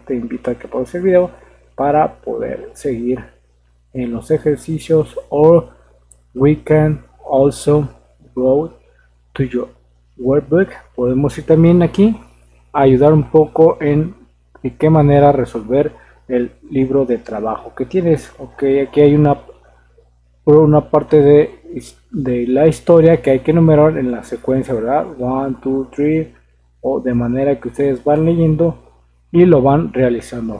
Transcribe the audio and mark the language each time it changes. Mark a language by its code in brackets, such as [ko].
[es] Te invito a que pause el video para poder seguir en los ejercicios. [en] Or we can also go to your workbook. [es] Podemos ir también aquí a ayudar un poco en de qué manera resolver el libro de trabajo que tienes. Ok, aquí hay una parte de la historia que hay que enumerar en la secuencia, ¿verdad? 1, 2, 3, o de manera que ustedes van leyendo y lo van realizando.